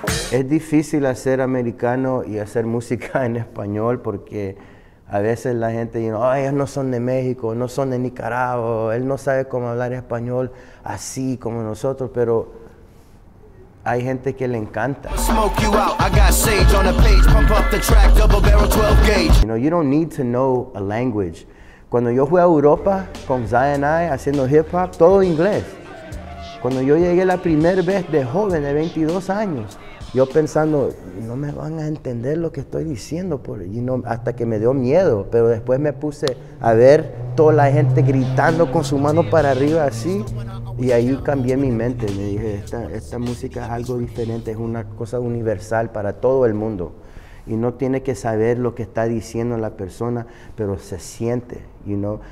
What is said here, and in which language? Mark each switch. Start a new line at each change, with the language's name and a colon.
Spanish: Es difícil hacer americano y hacer música en español porque a veces la gente dice, oh, ellos no son de México, no son de Nicaragua, él no sabe cómo hablar español así como nosotros, pero hay gente que le encanta.
English: You know, you don't need to know a language.
Spanish: Cuando yo fui a Europa con Zion I haciendo hip hop, todo inglés. Cuando yo llegué la primera vez de joven, de 22 años, yo pensando, no me van a entender lo que estoy diciendo, por,
English: you know,
Spanish: hasta que me dio miedo, pero después me puse a ver toda la gente gritando con su mano para arriba así, y ahí cambié mi mente, me dije, esta música es algo diferente, es una cosa universal para todo el mundo, y no tiene que saber lo que está diciendo la persona, pero se siente, you know.